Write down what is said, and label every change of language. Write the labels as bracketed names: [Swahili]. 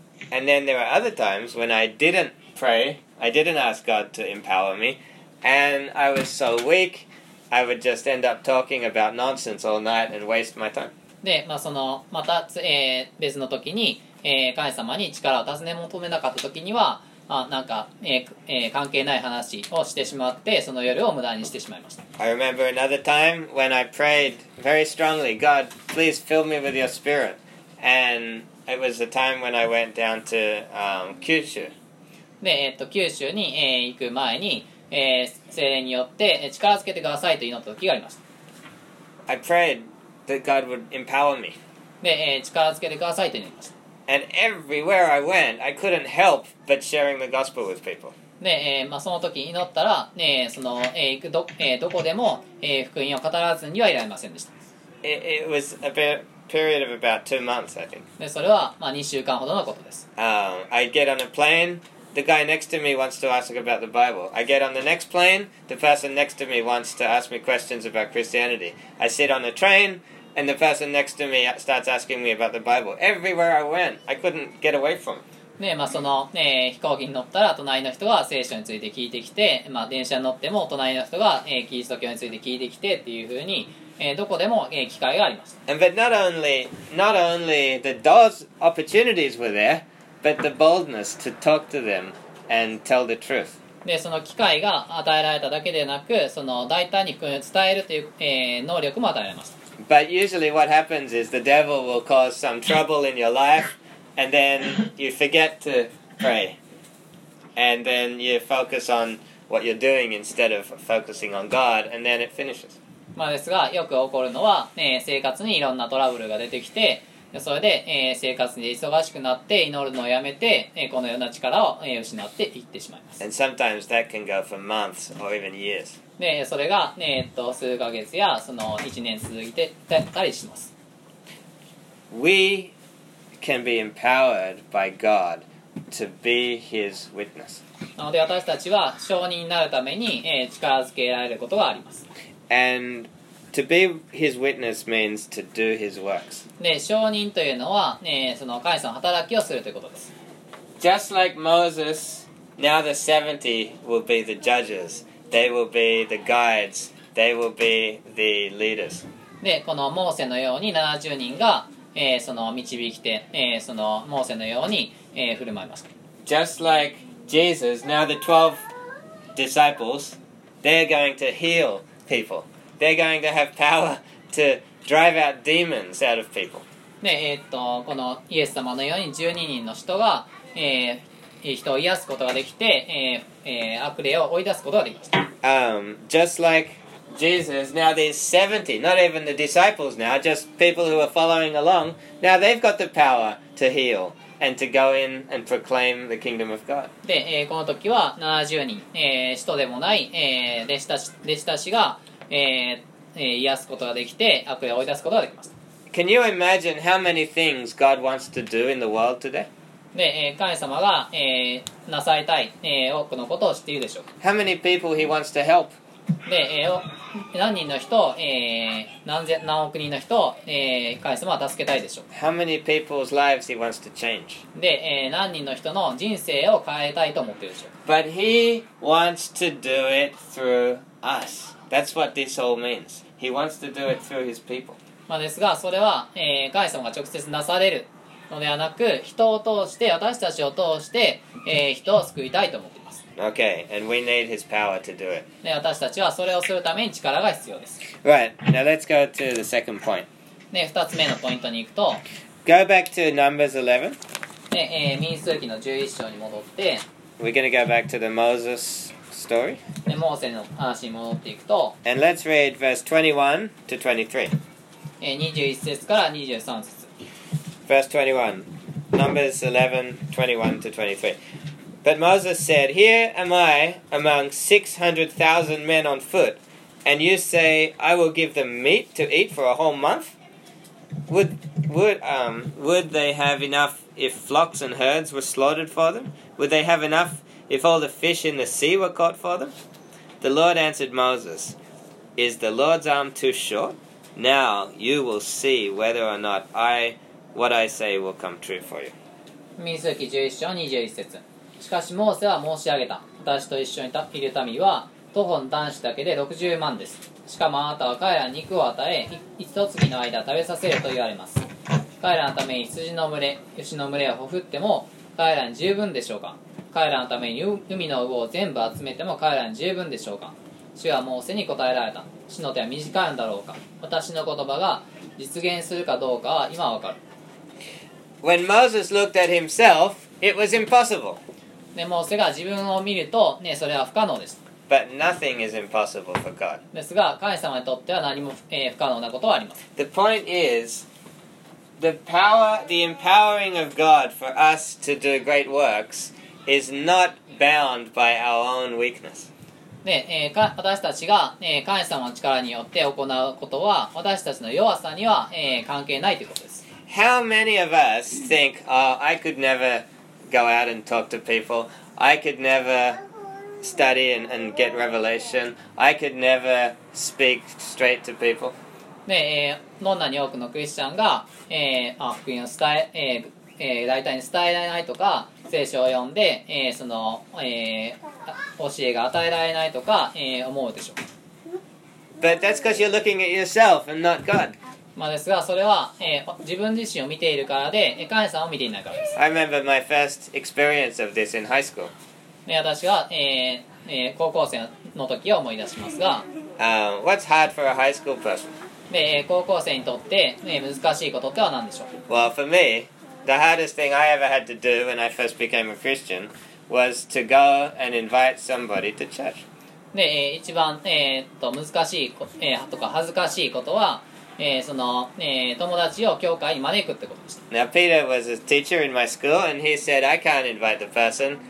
[English] And then there were other times when I didn't pray, I didn't ask God to empower me, and I was so weak, I would just end up talking about nonsense all night and waste my time. [Japanese] で、まあ、その、また、別の時に、神様に力を尋ね求めなかった時には、あ、なんか、関係ない話をしてしまって、その夜を無駄にしてしまいました。 [English] I remember another time when I prayed very strongly, God, please fill me with your spirit, andIt was the time when I went down to、Kyushu. [Japanese] で、九州に、行く前に、聖霊によって力をつけてくださいと祈った時がありました。 [English] I prayed that God would empower me. [Japanese] で、力をつけてくださいと祈りました。 [English] And everywhere I went, I couldn't help but sharing the gospel with people. [Japanese] で、まあ、その時祈ったら、その、行くど、どこでも、福音を語らずにはいられませんでした。 [English] It was a bit... period of about 2 months, I think. [Japanese] で、それは、まあ、2週間ほどのことです。 [English] I get on a plane, the guy next to me wants to ask about the Bible. I get on the next plane, the person next to me wants to ask me questions about Christianity. I sit on the train, and the person next to me starts asking me about the Bible. Everywhere I went, I couldn't get away from it. [Japanese] で、まあ、その、飛行機に乗ったら隣の人が聖書について聞いてきて、まあ、電車に乗っても隣の人が、キリスト教について聞いてきてっていうふうにどこでも、機会があります。 [English] And but not only the those opportunities were there, but the boldness to talk to them and tell the truth. [Japanese] で、その機会が与えられただけでなく、その大胆に伝えるという、能力も与えられました。 [English] But usually what happens is the devil will cause some trouble in your life, and then you forget to pray. And then you focus on what you're doing instead of focusing on God, and then it finishes. [Japanese] まあ、ですがよく起こるのは、生活にいろんなトラブルが出てきて、それで、生活で忙しくなって祈るのをやめて、このような力を、失っていってしまいます。 [English] And sometimes that can go for months or even years. [Japanese] で、それが、数ヶ月やその1年続いてたりします。 [English] We can be empowered by God to be His witness. [Japanese] なので私たちは証人になるために、力づけられることがあります。 [English] And to be his witness means to do his works. [Japanese] で、証人というのは、その神様の働きをするということです。 [English] Just like Moses, now the 70 will be the judges. They will be the guides. They will be the leaders. [Japanese] で、このモーセのように70人が、その導きて、そのモーセのように、振る舞います。 [English] Just like Jesus, now the 12 disciples, they're going to heal. People. They're going to have power to drive out demons out of people. [Japanese] で、このイエス様のように12人の人が、人を癒すことができて、悪霊を追い出すことができました。 [English] Just like Jesus, now there's 70, not even the disciples now, just people who are following along. Now they've got the power to heal and to go in and proclaim the kingdom of God. [Japanese] で、この時は70人、使徒でもない、弟子たちが、癒すことができて、悪霊を追い出すことができます。 [English] Can you imagine how many things God wants to do in the world today? [Japanese] で、神様が、なさりたい、多くのことを知っているでしょう。 [English] How many people he wants to help? [Japanese] で、何人の人、何億人の人、神様は助けたいでしょう。 [English] How many people's lives he wants to change? [Japanese] で、何人の人の人生を変えたいと思っているでしょう。 [English] But he wants to do it through us. That's what this all means. He wants to do it through his people. [Japanese] まあですが、それは、神様が直接なされる。のではなく、人を通して、私たちを通して、人を救いたいと思っています。 [English] Okay, and we need his power to do it. [Japanese] で、私たちはそれをするために力が必要です。 [English] Right, now let's go to the second point. [Japanese] で、二つ目のポイントに行くと、 [English] Go back to Numbers 11. [Japanese] で、民数記の11章に戻って、 [English] We're going to go back to the Moses story. [Japanese] で、モーセの話に戻っていくと、 [English] And let's read verse 21 to 23. [Japanese] 21節から23節。 [English] Verse 21, Numbers 11, 21 to 23. But Moses said, Here am I among 600,000 men on foot, and you say, I will give them meat to eat for a whole month? Would they have enough if flocks and herds were slaughtered for them? Would they have enough if all the fish in the sea were caught for them? The Lord answered Moses, Is the Lord's arm too short? Now you will see whether or not I... What I say will come true for you. [Japanese] 民数記11章21節しかしモーセは申し上げた私と一緒にいる民は徒歩の男子だけで60万ですしかもあなたは彼らに肉を与え一月の間食べさせると言われます彼らのために羊の群れ牛の群れをほふっても彼らに十分でしょうか彼らのために海の魚を全部集めても彼らに十分でしょうか主はモーセに答えられた主の手は短いんだろうか私の言葉が実現するかどうかは今わかる [English] When Moses looked at himself, it was impossible. [Japanese] でモーセが自分を見ると、ね、それは不可能です。 [English] But nothing is impossible for God. [Japanese] ですが、神様にとっては何も、不可能なことはあります。 [English] The point is, the empowering of God for us to do great works is not bound by our own weakness. [Japanese] で、私たちが、神様の力によって行うことは、私たちの弱さには、関係ないということです。 [English] How many of us think, oh, I could never go out and talk to people, I could never study and get revelation, I could never speak straight to people? [Japanese] で、どんなに多くのクリスチャンが、福音を伝え、大体に伝えられないとか、聖書を読んで、その、教えが与えられないとか、思うでしょう。 [English] But that's because you're looking at yourself and not God. [Japanese] まあ、ですがそれは、自分自身を見ているからで、神様を見ていないからです。 [English] I remember my first experience of this in high school. [Japanese] 私は、高校生の時を思い出しますが、 [English] What's hard for a high school person? [Japanese] で、高校生にとって、難しいことっては何でしょう? [English] Well, for me, the hardest thing I ever had to do when I first became a Christian was to go and invite somebody to church. [Japanese] で、一番、難しい、とか恥ずかしいことは、友達を教会に招くってことでした。 [English] Now, Peter was a teacher in my school, and he said, I can't invite the person.